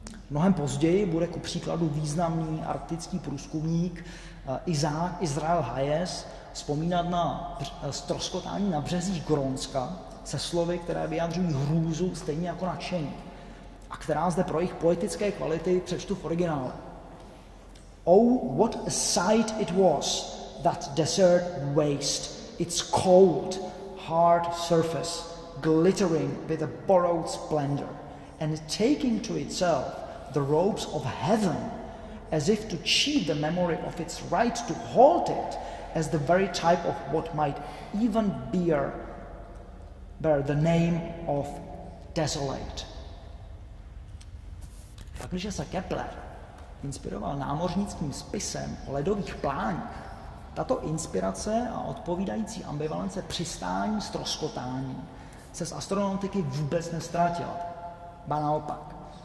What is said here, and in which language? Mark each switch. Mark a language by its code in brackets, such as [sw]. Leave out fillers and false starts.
[cs] Mnohem později bude ku příkladu významný arktický průzkumník Israel Hayes vzpomínat na ztroskotání na březích Grónska se slovy, které vyjadřují hrůzu stejně jako nadšení a která zde pro jejich poetické kvality přečtu v originále. [en] Oh, what a sight it was, that desert waste, its cold, hard surface, glittering with a borrowed splendor, and taking to itself the robes of heaven, as if to cheat the memory of its right to halt it, as the very type of what might even bear the name of desolate. [cs] Pakliže se Kepler inspiroval námořnickým spisem o ledových pláních, tato inspirace a odpovídající ambivalence přistání ztroskotání se z astronautiky vůbec nestratila. Ba naopak.